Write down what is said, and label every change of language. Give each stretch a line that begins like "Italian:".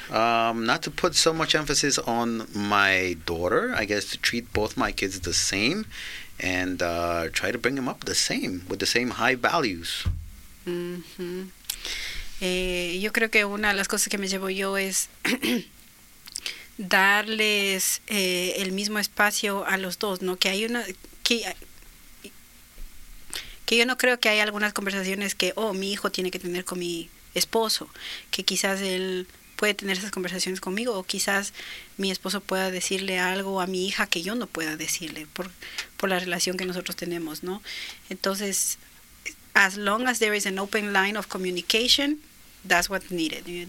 English: Not to put so much emphasis on my daughter. I guess to treat both my kids the same and try to bring them up the same, with the same high values. Mm-hmm.
Spanish: Yo creo que una de las cosas que me llevo yo es... darles el mismo espacio a los dos, ¿no? Que hay una que yo no creo que hay algunas conversaciones que mi hijo tiene que tener con mi esposo, que quizás él puede tener esas conversaciones conmigo o quizás mi esposo pueda decirle algo a mi hija que yo no pueda decirle por la relación que nosotros tenemos, ¿no? Entonces,
English: as long as there is an open line of communication, that's what's needed.